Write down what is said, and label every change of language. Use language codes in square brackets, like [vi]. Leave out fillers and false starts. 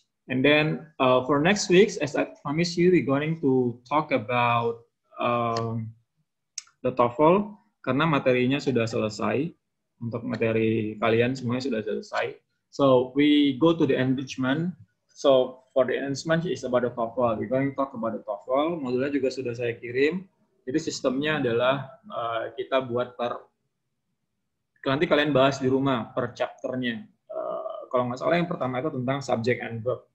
[en] And then for next week, as I promised you, we're going to talk about the TOEFL [id] karena materinya sudah selesai. Untuk materi kalian semuanya sudah selesai. [en] So we go to the enrichment. So for the enrichment is about the TOEFL. We're going to talk about the TOEFL. [id] Modulnya juga sudah saya kirim. Jadi sistemnya adalah kita buat per. Nanti kalian bahas di rumah per chapternya. Kalau nggak salah yang pertama itu tentang subject and verb.